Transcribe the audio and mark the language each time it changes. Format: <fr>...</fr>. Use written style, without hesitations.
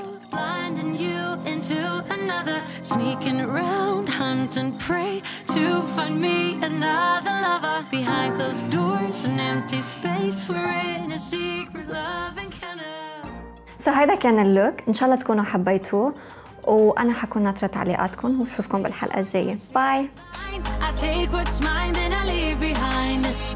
<en>Blinding you into another, sneaking round, hunt and pray to find me another lover. Behind closed doors and empty space, we're in a secret love encounter.</en> <ar>So هيدا كان اللوك، إن شاء الله تكونوا حبيتوه، وأنا حكون ناطرة تعليقاتكم وبشوفكم بالحلقة الجاية. باي.</ar> <en>I take what's mine and I leave behind.</en>